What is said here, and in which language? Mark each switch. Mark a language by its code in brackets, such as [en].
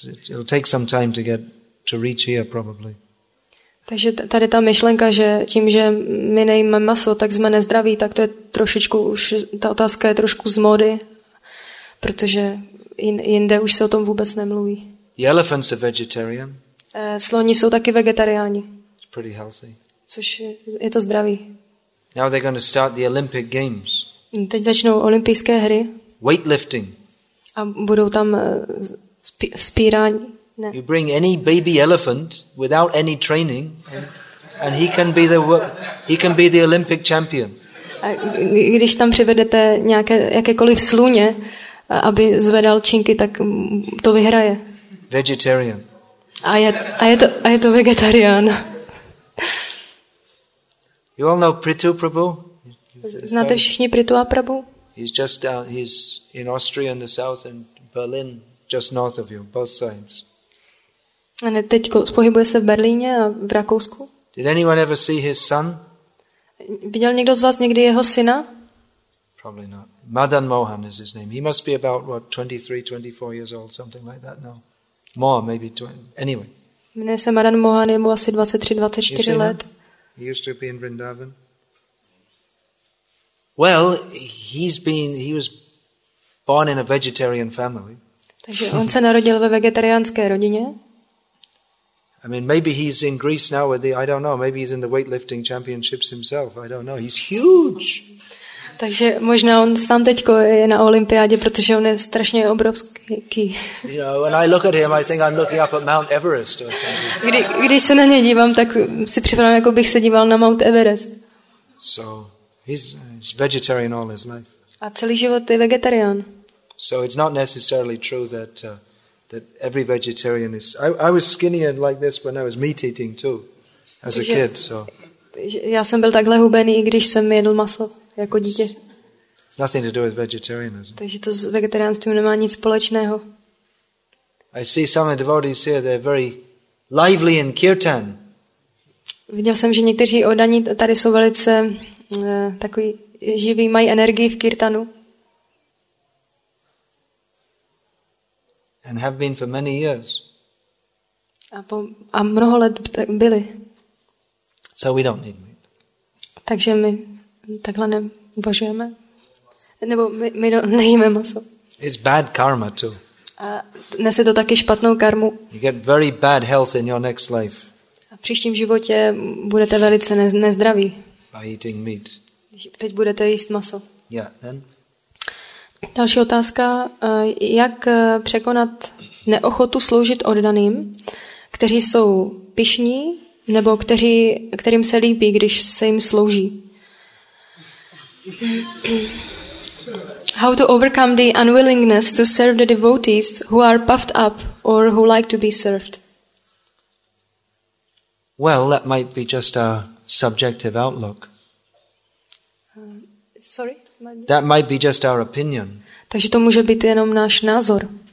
[en] It'll take some time to reach here probably. [cs] Takže tady ta myšlenka, že tím, že my nejíme maso, tak jsme nezdraví, tak to je trošičku už, ta otázka je trošku z mody, protože jinde už se o tom vůbec nemluví. [en] The elephants are vegetarian. [cs] Sloni jsou taky vegetariáni. [en] It's pretty healthy. [cs] Což je to zdraví. [en] Now they're going to start the Olympic Games. [cs] Teď začnou olympijské hry. [en] Weightlifting. [cs] A budou tam spírání. [en] You bring any baby elephant without any training. And he can be the Olympic champion. [cs] A když tam přivedete nějaké jakékoliv sluně, aby zvedal činky, tak to vyhraje. [en] Vegetarian. [cs] A je to vegetarián. [en] You all know Prithu Prabhu? [cs] Znáte všichni Prithu a Prabhu? [en] He's in Austria in the south and Berlin just north of you, both sides. [cs] A ne, teď pohybuje se v Berlíně a v Rakousku. [en] Did anyone ever see his son? [cs] Viděl někdo z vás někdy jeho syna? [en] Probably not. Madan Mohan is his name. He must be about what, 23, 24 years old, something like that. No. More, maybe 20. Anyway. [cs] Jmenuje se Madan Mohan, je mu asi 23, 24 let. [en] He used to be in Vrindavan. Well, he was born in a vegetarian family. [cs] Takže on se narodil ve vegetariánské rodině. [en] I mean, maybe he's in Greece now with the, I don't know, maybe he's in the weightlifting championships himself. I don't know. He's huge. [cs] Takže možná on sám teďko je na olympiádě, protože on je strašně obrovský. [en] You know, when I look at him, I think I'm looking up at Mount Everest or something. [cs] Když se na něj dívám, tak si připadám, jako bych se díval na Mount Everest. [en] So, he's vegetarian all his life. [cs] A celý život je vegetarián. [en] So it's not necessarily true that every vegetarian is. I was skinnier like this when I was meat eating too, as a kid. So. [cs] Já jsem byl takhle hubený, i když jsem jedl maso jako dítě. [en] Nothing to do with vegetarianism. [cs] Takže to s vegetariánstvím nemá nic společného. [en] I see some of the devotees here. They're very lively in kirtan. [cs] Viděl jsem, že někteří oddaní tady jsou velice takový živí, mají energii v kirtanu. [en] And have been for many years. [cs] A mnoho let byli. [en] So we don't need meat. [cs] Takže my takhle neuvažujeme. Nebo my nejíme maso. [en] It's bad karma too. [cs] A nese to taky špatnou karmu. [en] You get very bad health in your next life. [cs] A v příštím životě budete velice nezdraví. [en] By eating meat. [cs] Teď budete jíst maso. [en] Yeah, then. [cs] Další otázka. Jak překonat neochotu sloužit oddaným, kteří jsou pyšní, nebo kterým se líbí, když se jim slouží? [en] How to overcome the unwillingness to serve the devotees who are puffed up or who like to be served? Well, that might be just a subjective outlook. Sorry? That might be just our opinion. [cs] Takže to může být jenom náš názor.